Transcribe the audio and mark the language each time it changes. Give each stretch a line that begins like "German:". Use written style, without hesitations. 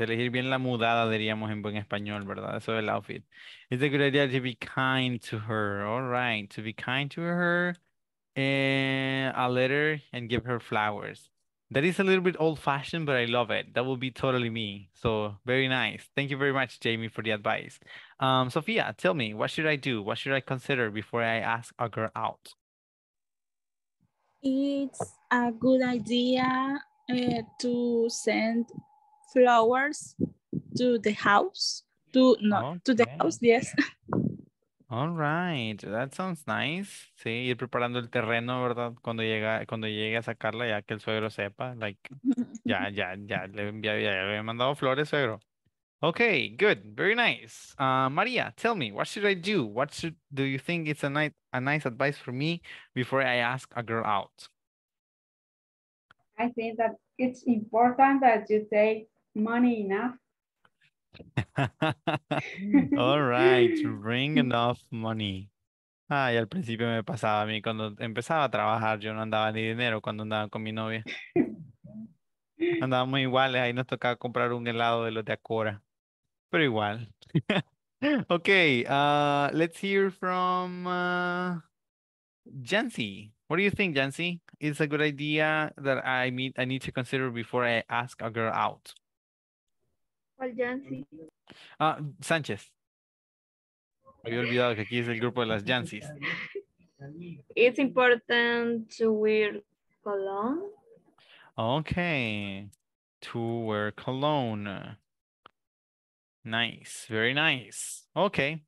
Spanish: Elegir bien la mudada, diríamos en buen español, ¿verdad? Eso del outfit.
English: It's a good idea to be kind to her. All right, to be kind to her. A letter and give her flowers. That is a little bit old-fashioned, but I love it. That would be totally me. So, very nice. Thank you very much, Jamie, for the advice. Sophia, tell me, what should I do? What should I consider before I ask a girl out? It's a good idea to send flowers to the house. All right, that sounds nice.
Spanish: Sí, ir preparando el terreno, ¿verdad? Cuando llegue a sacarla, ya que el suegro sepa, like, ya le he mandado flores, suegro.
English: Okay, good, very nice. Maria, tell me, what should I do? Do you think it's a nice advice for me before I ask a girl out? I think that it's important that you take money enough. All right, bring enough money.
Spanish: Ay, al principio me pasaba a mí cuando empezaba a trabajar, yo no andaba ni dinero cuando andaba con mi novia. Andábamos iguales, ahí nos tocaba comprar un helado de los de Acora. Pero igual.
English: Okay, let's hear from Jancy. What do you think, Jancy? It's a good idea that I need to consider before I ask a girl out.
Spanish: ¿Cuál Jancy? Sánchez. Había olvidado que aquí es el grupo de las Jancys.
English: It's important to wear cologne. Okay. To wear cologne. Nice. Very nice. Okay.